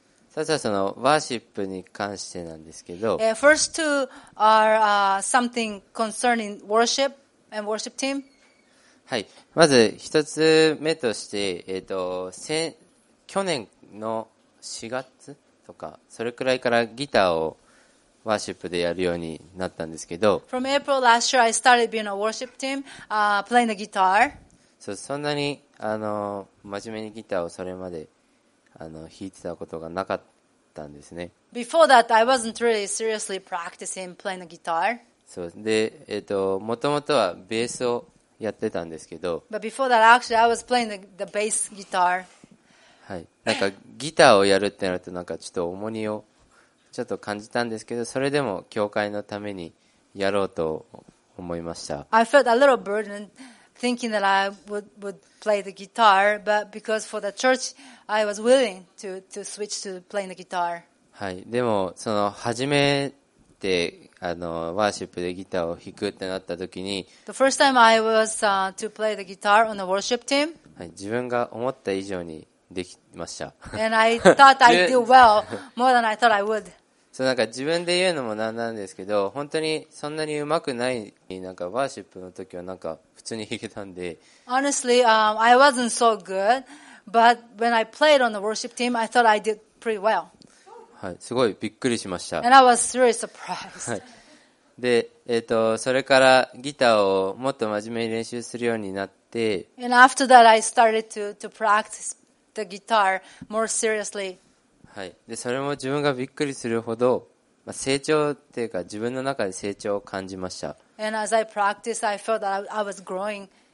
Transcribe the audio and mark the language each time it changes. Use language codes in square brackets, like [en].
[ja] 最初はその、ワーシップに関してなんですけど、 [en] first two are, something concerning worship and worship team. [ja] はい、まず一つ目として、去年の4月とかそれくらいからギターをワーシップでやるようになったんですけど、 [en] From April last year I started being a worship team, playing the guitar. [ja] そう、そんなに真面目にギターをそれまで弾いてたことがなかったんですね。 [en] Before that I wasn't really seriously practicing playing the guitar. [ja] そうで、もともとはベースをやってたんですけど、 [en] But before that, actually, I was playing the bass guitar. [ja] はい、なんかギターをやるってなるとなんかちょっと重荷をちょっと感じたんですけど、それでも教会のためにやろうと思いました。 [en] I felt a little burdened thinking that I would play the guitar, but because for the church, I was willing to switch to playing the guitar. [ja] はい、でもその初めてワーシップでギターを弾くってなった時に、 [en] The first time I was, to play the guitar on the worship team, [ja] はい、自分が思った以上にできました。 [en] And I thought I'd do well more than I thought I would. [ja] そう、なんか自分で言うのもなんなんですけど、本当にそんなにうまくない、なんかワーシップの時はなんか普通に弾けたんで。 [en] Honestly, I wasn't so good, But when I played on the worship team, I thought I did pretty well. [ja] はい、すごいびっくりしました。 [en] And I was really surprised. はい。 [ja] で、それからギターをもっと真面目に練習するようになって。 [en] And after that, I started to practice the guitar more seriously. [ja] はい。で、それも自分がびっくりするほど、まあ、成長っていうか自分の中で成長を感じました。 [en] And as I practiced, I felt that I was growing.